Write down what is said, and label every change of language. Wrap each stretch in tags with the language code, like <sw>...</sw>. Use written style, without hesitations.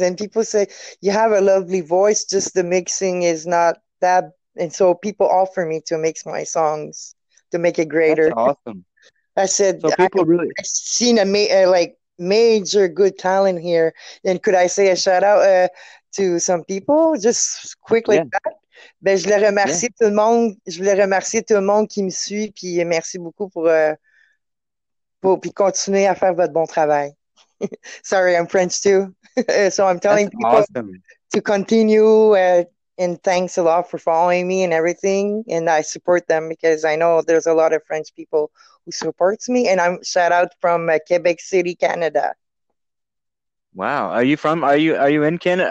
<en>And people say, you have a lovely voice, just the mixing is not that. And so people offer me to mix my songs to make it greater. That's awesome. I said, so people really, I've seen a major good talent here. And could I say a shout out to some people just quickly? Yeah. Like that?</en> <fr>Ben, je voulais remercier tout le monde. Je voulais remercier tout le monde qui me suit. Puis merci beaucoup pour. Puis continuez à faire votre bon travail.</fr> <en>Sorry, I'm French too. So I'm telling That's people awesome. To continue and thanks a lot for following me and everything. And I support them because I know there's a lot of French people who supports me. And I'm shout out from Quebec City, Canada. Wow. Are you in Canada?</en>